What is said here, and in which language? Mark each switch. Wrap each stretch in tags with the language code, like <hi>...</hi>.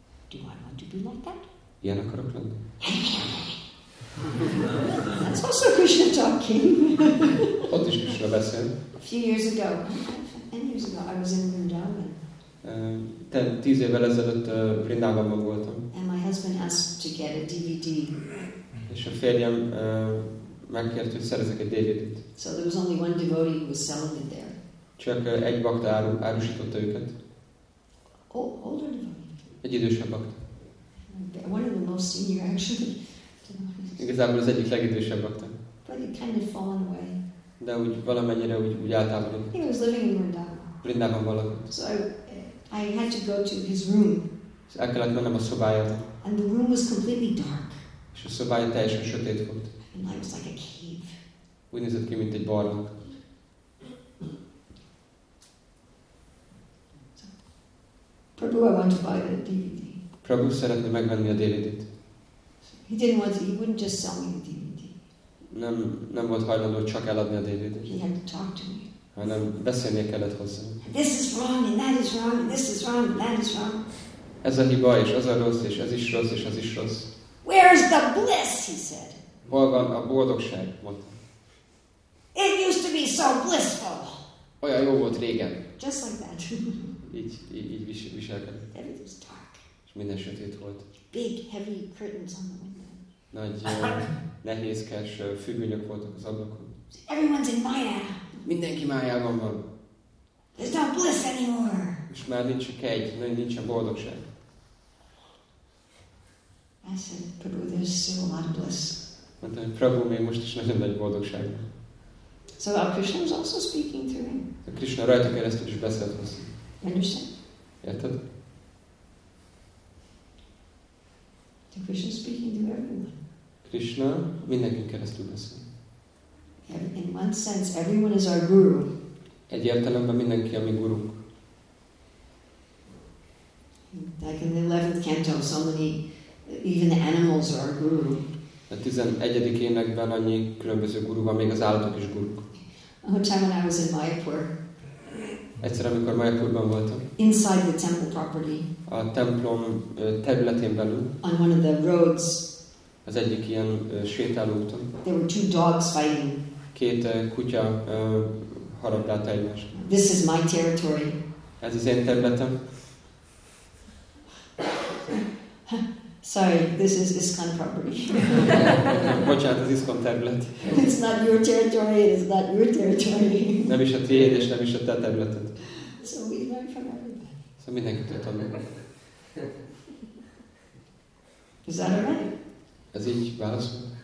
<en>Do I want to be like that?</en> <hu>Ilyen akarok lenni.</hu> <en>That's also Krishna talking.</en> <hu>Ott is Krishna beszél.</hu> <en>A few years ago. 10 years ago, I was in Vrindavan.</en> <hu>10 évvel ezelőtt Vrindavanban voltam.</hu> <en>And my husband asked to get a DVD.</en> <hu>És a férjem megkért, hogy szerezek egy DVD-t.</hu> <en>So there was only one devotee who was selling it there.</en> <hu>Csak egy bakta árusította őket.</hu> <en>Oh, older devotee.</en> <hu>Egy idősebb bakta.</hu> <en>One of the most senior, actually.</en> <hu>Igazából az egyik legidősebb bakta.</hu> <en>But it kind of fallen away.</en> <hu>De úgy valamennyire úgy eltávolodott.</hu> <en>He was living in Vrindavan.</en> <hu>Vrindavan valakott.</hu> <en>So I had to go to his room. És</en> <hu>el kellett mennem a szobájába.</hu> <en>And the room was completely dark.</en> <hu>És a szobája teljesen sötét volt.</hu> <en>And it was like a cave.</en> <hu>Úgy nézett ki, mint egy barlang.</hu> <en>Prabhu, I want to buy the DVD.</en> <hu>Prabhu szeretne megvenni a DVD-t.</hu> <en>He didn't want to, he wouldn't just sell me the DVD.</en> <hu>Nem volt hajlandó csak eladni a DVD-t. Hanem beszélnie kellett hozzá.</hu> <en>This is wrong and that is wrong and this is wrong and that is wrong.</en> <hu>Ez a hiba és az a rossz és ez is rossz és az is rossz.</hu> <en>Where is the bliss, he said.</en> <hu>Hol van a boldogság, mondta.</hu> <en>It used to be so blissful.</en> <hu>Olyan jó volt régen.</hu> <en>Just like that.</en> <hu>így viselkedett.</hu> <en>Everything was dark.</en> <hu>És minden sötét volt.</hu> <en>Big heavy curtains on the window.</en> <hu>Nagy nehézkes függönyök voltak az ablakon.</hu> <en>Everyone's in Maya.</en> <hu>Mindenki Mayában van.</hu> <en>There's no bliss anymore.</en> <hu>És már nincs csak egy, nincsen boldogság.</hu> <en>I said, Prabhu, there's still a lot of bliss.</en> <hu>Mondtam, hogy Prabhu, még most is nagyon nagy boldogság.</hu> <en>So our Krishna was also speaking to me.</en> <hu>A Krishna rajta keresztül is beszélt hozzá.</hu> <en>You understand?</en> <hu>Érted?</hu> <en>Krishna speaking to everyone.</en> <hu>Krishna mindenkin keresztül beszél.</hu> <en>In one sense, everyone is our guru.</en> <hu>Egy értelemben mindenki a mi gurunk.</hu> <en>Like in the 11th canto, so many, even the animals are our guru.</en> <hu>A 11. énekben annyi különböző guru van, még az állatok is guruk.</hu> <en>One time when I was in Mayapur.</en> <hu>Egyszer, amikor Mayapurban voltam.</hu> <en>Inside the temple property.</en> <hu>A templom területén belül.</hu> <en>On one of the roads.</en> <hu>Az egyik ilyen sétáló úton.</hu> <en>There were two dogs fighting.</en> <hu>Két kutya harapdált egymást.</hu> <en>This is my territory.</en> <hu>Ez az én területem.</hu> <en>Sorry, this is ISKCON property.</en> <hu>Bocsánat, az ISKCON terület.</hu> <en>It's not your territory, it is not your territory.</en> <hu>Nem is a tiéd, és nem is a te területed.</hu> <en>So we learn from everybody.</en> <hu>Szóval mindenkitől tanulunk.</hu> <en>Is that alright?</en> <hu>Ez így válaszol.</hu>